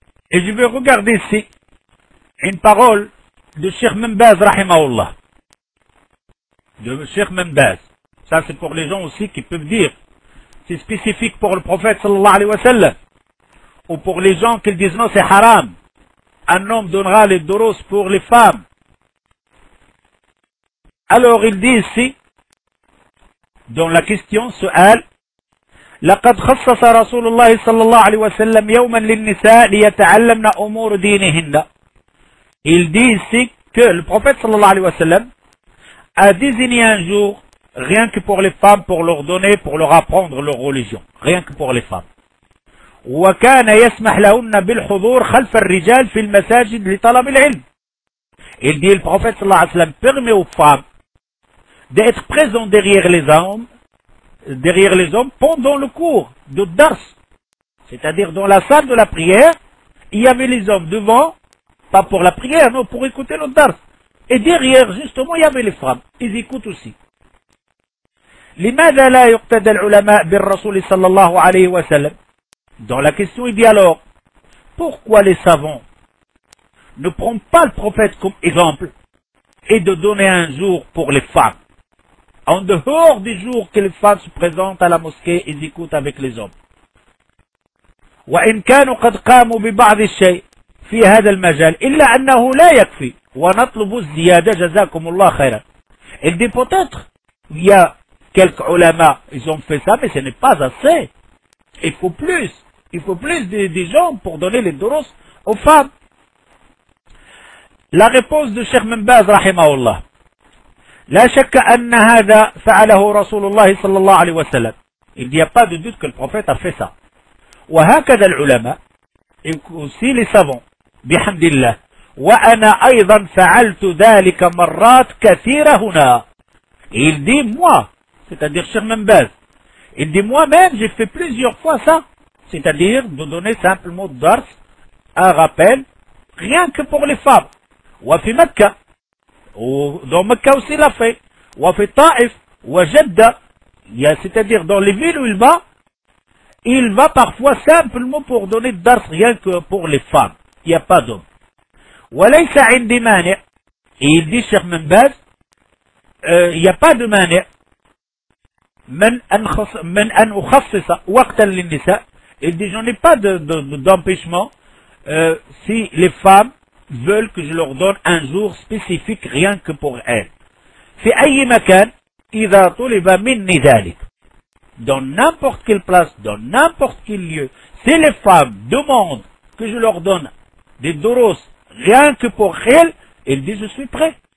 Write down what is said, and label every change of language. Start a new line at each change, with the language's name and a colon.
French: Et je vais regarder ici une parole de Cheikh Membaz rahimahullah. De Cheikh Membaz. Ça, c'est pour les gens aussi qui peuvent dire. C'est spécifique pour le prophète sallallahu alayhi wa sallam. Ou pour les gens qui disent non, c'est haram. Un homme donnera les doros pour les femmes. Alors, il dit ici, dans la question, ce al,
Arabic: لقد خصص رسول الله صلى الله عليه وسلم يوما للنساء ليتعلمن أمور دينهن.
French: Il dit ici que le prophète sallallahu alayhi wa sallam a désigné un jour, rien que pour les femmes, pour leur donner, pour leur apprendre leur religion. Rien que pour les femmes.
Arabic: وكان يسمح لهن بالحضور خلف الرجال في المساجد لطلب العلم.
French: Il dit, le prophète sallallahu alayhi wa sallam permet aux femmes d'être présents derrière les hommes, pendant le cours de dars. C'est-à-dire dans la salle de la prière, il y avait les hommes devant, pas pour la prière, non, pour écouter le dars. Et derrière, justement, il y avait les femmes. Ils écoutent aussi.
Arabic: لماذا لا يقتدى العلماء بالرسول صلى الله عليه وسلم؟
French: Dans la question, il dit alors, pourquoi les savants ne prennent pas le prophète comme exemple et de donner un jour pour les femmes, en dehors des jours que les femmes se présentent à la mosquée et écoutent avec les hommes?
Arabic: وإن كانوا قد قاموا ببعض الشيء في هذا المجال إلا أنه لا يكفي. ونطلب الزيادة جزاكم الله خيرا.
French: Il dit peut-être, il y a quelques ulama, ils ont fait ça, mais ce n'est pas assez. Il faut plus. Il faut plus des gens pour donner les doros aux femmes. La réponse de Cheikh Membaz, rahimahullah.
Arabic: لا شك أن هذا فعله رسول الله صلى الله عليه وسلم.
French: Il n'y a pas de doute que le prophète a fait ça.
Arabic: وهكذا العلماء.
French: Et aussi les savants.
Arabic: بحمد الله. وأنا أيضا فعلت ذلك مرات كثيرة هنا.
French: Il dit moi, c'est-à-dire Cheikh Membaz. Il dit moi-même, j'ai fait plusieurs fois ça. C'est-à-dire de donner simplement d'ars, un rappel, rien que pour les femmes.
Arabic: وفي مكة.
French: Dans Mecca aussi l'a fait.
Arabic: وفي الطائف وجدة.
French: C'est-à-dire dans les villes où il va parfois simplement pour donner d'ars, rien que pour les femmes. Il n'y a pas d'hommes.
Arabic: وليس عندي مانع.
French: Il dit Cheikh Membaz, y a pas de مانع.
Arabic: من أن أخصص وقتا للنساء.
French: Il dit, j'en ai pas d'empêchement, si les femmes veulent que je leur donne un jour spécifique rien que pour elles.
Arabic: في أي مكان إذا طلب مني ذلك.
French: Dans n'importe quelle place, dans n'importe quel lieu, si les femmes demandent que je leur donne des doros rien que pour elle, il dit je suis prêt.